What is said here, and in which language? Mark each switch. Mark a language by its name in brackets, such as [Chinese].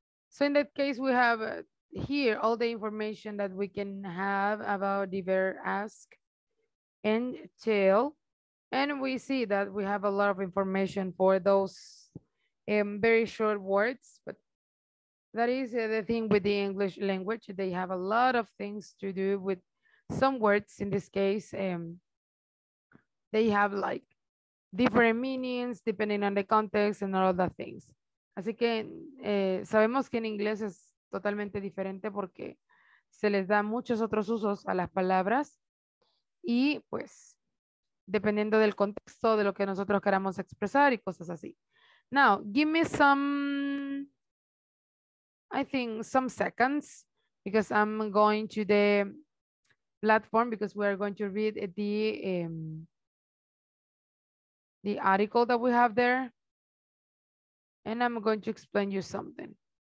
[English] So in that case, we have here all the information that we can have about the verb ask and tell, and we see that we have a lot of information for those very short words, but that is the thing with the English language. They have a lot of things to do with some words. In this case, they have like different meanings depending on the context and all the things. [Spanish] Así que sabemos que en inglés es totalmente diferente porque se les da muchos otros usos a las palabras y pues dependiendo del contexto de lo que nosotros queramos expresar y cosas así. [English] Now, give me some seconds because I'm going to the platform because we are going to read the article that we have there and I'm going to explain you something.